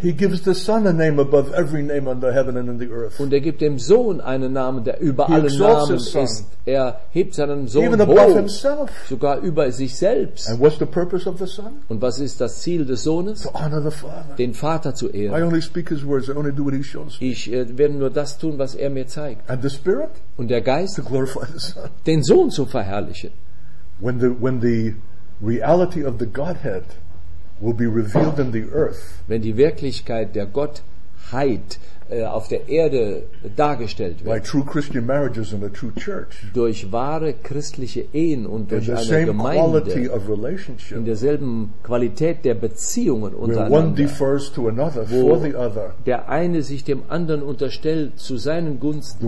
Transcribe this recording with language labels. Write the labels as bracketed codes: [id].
[en] He gives the Son a name above every name under heaven and in the earth. [de] Und er gibt dem Sohn einen Namen, der über alle Namen ist. Er hebt seinen Sohn [en] even [de] hoch. [en] Above himself. [de] Sogar über sich selbst. [en] And what's the purpose of the Son? [de] Und was ist das Ziel des Sohnes? [en] To honor the Father. [de] Den Vater zu ehren. [en] I only speak his words. I only do what he shows me. [de] Ich werde nur das tun, was er mir zeigt. [en] And the Spirit? [de] Und der Geist? [en] To glorify the Son. [de] Den Sohn zu verherrlichen. [en] When the reality of the Godhead will be revealed in the earth. [de] Wenn die Wirklichkeit der Gottheit Christenheit auf der Erde dargestellt wird. [en] By true Christian marriages and a true church. [de] Durch wahre christliche Ehen und durch eine Gemeinde. In derselben Qualität der Beziehungen untereinander. [en] Where one defers to another for the other. [de] Der eine sich dem anderen unterstellt zu seinen Gunsten.